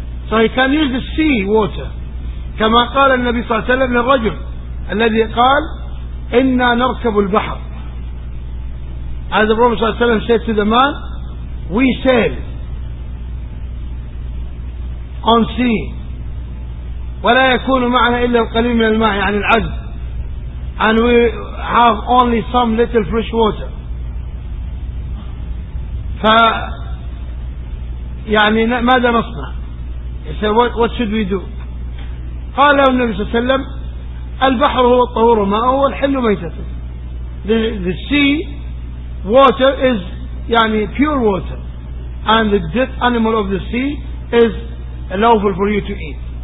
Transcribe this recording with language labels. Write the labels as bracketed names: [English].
[English] So he can use the sea water. [Arabic] كما قال النبي صلى الله عليه وسلم للرجل الذي قال إنا نركب البحر. [English] As the Prophet [Arabic] صلى الله عليه وسلم [English] said to the man, we sail on sea. [Arabic] ولا يكون معنا إلا القليل من الماء يعني العذب. [English] And we have only some little fresh water. [Arabic] ف يعني ماذا نصنع؟ [English] He said, what should we do? [Arabic] قال له النبي صلى الله عليه وسلم البحر هو الطهور ماءه والحل ميتته. [English] The sea water is يعني pure water. And the dead animal of the sea is lawful for you to eat.